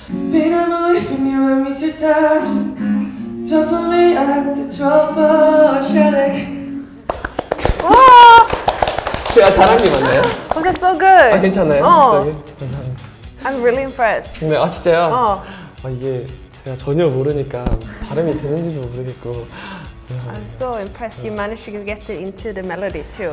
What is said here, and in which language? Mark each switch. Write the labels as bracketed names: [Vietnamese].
[English] Been away from you, I miss your touch. [Swedish] Du får mig att tro på kärlek. [Korean] 제가 잘한 게 맞나요? [English] Oh, that's so good. [Korean] 아, 괜찮아요? 어. 감사합니다. [English] I'm really impressed. [Korean] 네, 아, 진짜요? 어. 아, 이게 제가 전혀 모르니까 발음이 되는지도 모르겠고. [English] I'm so impressed. You managed to get it into the melody too.